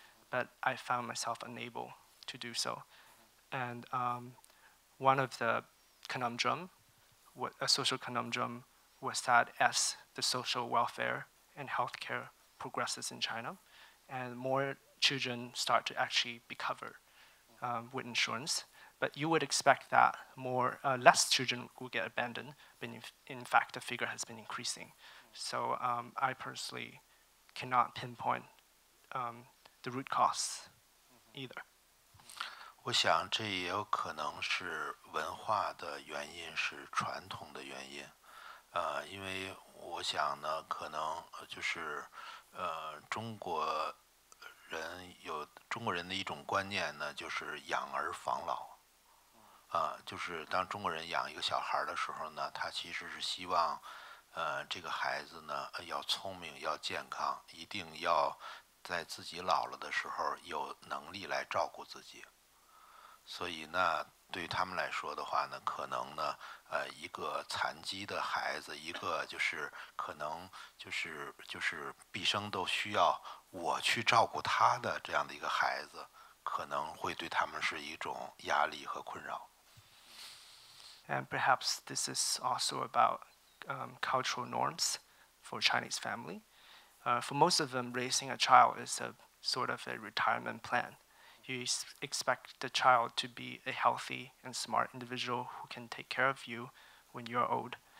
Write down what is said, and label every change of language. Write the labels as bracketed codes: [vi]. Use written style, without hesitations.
[en] But I found myself unable to do so. And one of the conundrum, a social conundrum,was that as the social welfare and healthcare progresses in China, and more children start to actually be covered with insurance. But you would expect that less children will get abandoned, but in fact, the figure has been increasing. So I personally cannot pinpoint the root cause either. [zh] 我想这也有可能是文化的原因，是传统的原因。因为我想呢，可能就是，中国人的一种观念呢，就是养儿防老，就是当中国人养一个小孩的时候呢，他其实是希望，这个孩子呢要聪明，要健康，一定要在自己老了的时候有能力来照顾自己，所以呢。对于他们来说的话呢，可能呢，一个残疾的孩子，一个就是可能就是毕生都需要我去照顾他的这样的一个孩子，可能会对他们是一种压力和困扰。 [en] And perhaps this is also about cultural norms for Chinese family. For most of them, raising a child is a sort of a retirement plan. You expect the child to be a healthy and smart individual who can take care of you when you're old.